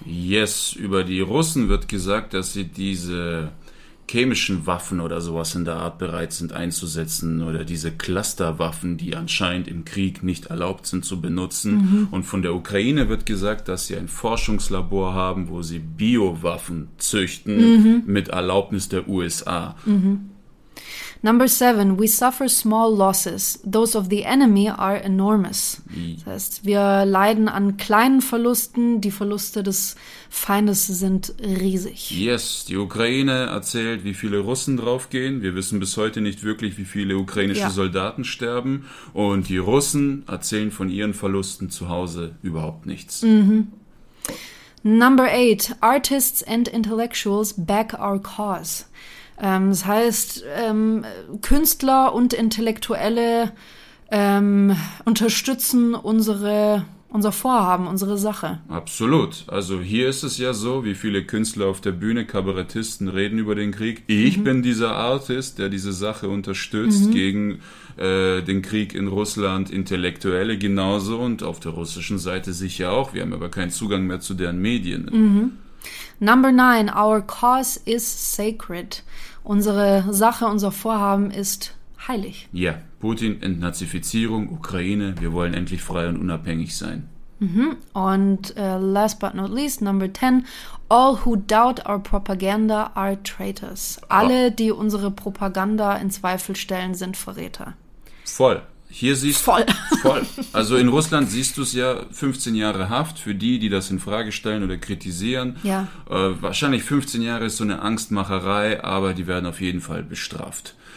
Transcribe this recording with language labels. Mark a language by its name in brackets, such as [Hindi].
[German] Yes, über die Russen wird gesagt, dass sie diese chemischen Waffen oder sowas in der Art bereit sind einzusetzen oder diese Clusterwaffen, die anscheinend im Krieg nicht erlaubt sind zu benutzen. Mhm. Und von der Ukraine wird gesagt, dass sie ein Forschungslabor haben, wo sie Biowaffen züchten mit Erlaubnis der USA. [English] Number seven, we suffer small losses. Those of the enemy are enormous. [German] Das heißt, wir leiden an kleinen Verlusten. Die Verluste des Feindes sind riesig. Yes, die Ukraine erzählt, wie viele Russen draufgehen. Wir wissen bis heute nicht wirklich, wie viele ukrainische Soldaten sterben. Und die Russen erzählen von ihren Verlusten zu Hause überhaupt nichts. [English] Number eight, artists and intellectuals back our cause. [German] Das heißt, Künstler und Intellektuelle unterstützen unser Vorhaben, unsere Sache. Absolut. Also hier ist es ja so, wie viele Künstler auf der Bühne, Kabarettisten reden über den Krieg. Ich bin dieser Artist, der diese Sache unterstützt gegen den Krieg in Russland, Intellektuelle genauso und auf der russischen Seite sicher auch. Wir haben aber keinen Zugang mehr zu deren Medien. [English] Number 9, our cause is sacred. [German] Unsere Sache, unser Vorhaben ist heilig. Ja, Putin, Entnazifizierung, Ukraine, wir wollen endlich frei und unabhängig sein. [English] Und last but not least, number 10, all who doubt our propaganda are traitors. [German] Alle, die unsere Propaganda in Zweifel stellen, sind Verräter. Voll. Hier siehst du voll. Also in Russland siehst du es ja, 15 Jahre Haft für die, die das in Frage stellen oder kritisieren. Ja. Wahrscheinlich 15 Jahre ist so eine Angstmacherei, aber die werden auf jeden Fall bestraft.